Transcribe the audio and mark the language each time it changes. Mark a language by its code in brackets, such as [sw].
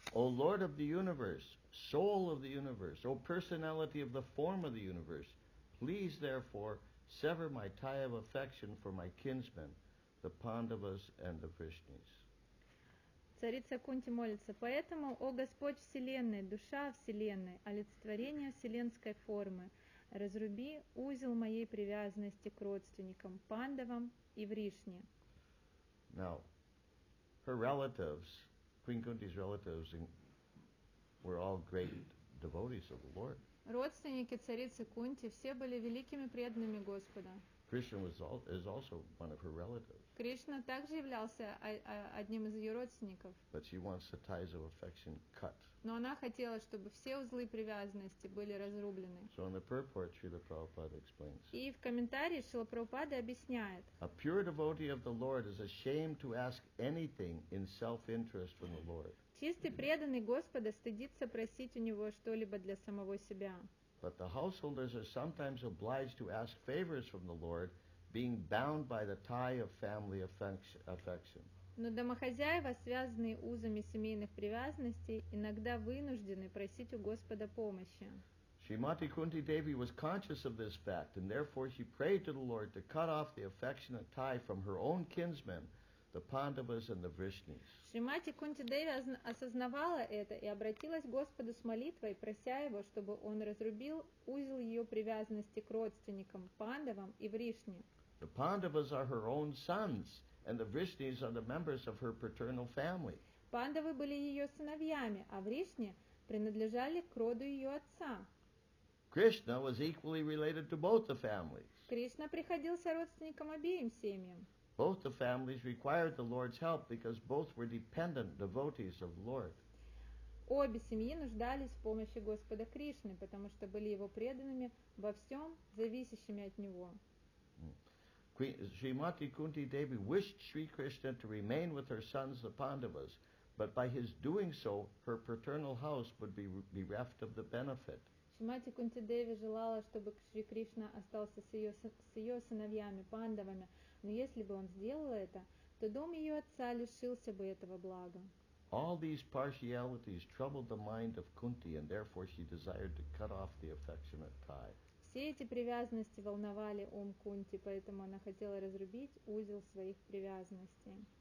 [en] O Lord of the universe, soul of the universe, O personality of the form of the universe, Please, therefore, sever my tie of affection for my kinsmen, the Pandavas and the Vrishnis. [ru] Царица Кунти молится, поэтому, о Господь Вселенной, душа Вселенной, олицетворение вселенской формы, разруби узел моей привязанности к родственникам, Пандавам и Вришне. [en] Now, her relatives, Queen Kunti's relatives, were all great devotees of the Lord. [ru] Родственники царицы Кунти все были великими преданными Господа. [en] Krishna is also one of her relatives. [ru] Кришна также являлся одним из ее родственников. [en] But she wants the ties of affection cut. [ru] Но она хотела, чтобы все узлы привязанности были разрублены. [en] So in the purport, Srila Prabhupada explains. [ru] И в комментарии Шрила Прабхупада объясняет. [en] A pure devotee of the Lord is ashamed to ask anything in self-interest from the Lord. [ru] Чистый преданный Господа стыдится просить у него что-либо для самого себя. [en] But the householders are sometimes obliged to ask favors from the Lord, being bound by the tie of family affection. [ru] Но домохозяева, связанные узами семейных привязанностей, иногда вынуждены просить у Господа помощи. [en] Shrimati Kunti Devi was conscious of this fact, and therefore she prayed to the Lord to cut off the affectionate tie from her own kinsmen, the Pandavas and the Vrishnis. [ru] Шримати Кунти Деви осознавала это и обратилась к Господу с молитвой, прося его, чтобы он разрубил узел ее привязанности к родственникам, Пандавам и Вришне. [en] The Pandavas are her own sons, and the Vrishnis are the members of her paternal family. [ru] Пандавы были ее сыновьями, а Вришни принадлежали к роду ее отца. [en] Krishna was equally related to both the families. [ru] Кришна приходился родственником обеим семьям. [en] Both the families required the Lord's help because both were dependent devotees of the Lord. [ru] Обе семьи нуждались в помощи Господа Кришны, потому что были его преданными во всем, зависящими от него. [en] Shrimati Kunti Devi wished Sri Krishna to remain with her sons, the Pandavas, but by his doing so, her paternal house would be bereft of the benefit. [ru] Шримати Кунти Деви желала, чтобы Шри Кришна остался с ее сыновьями, Пандавами. Но если бы он сделал это, то дом ее отца лишился бы этого блага. [en] All these partialities troubled the mind of Kunti, and therefore she desired to cut off the affectionate tie. [ru] Все эти привязанности волновали ум Кунти, поэтому она хотела разрубить узел своих привязанностей.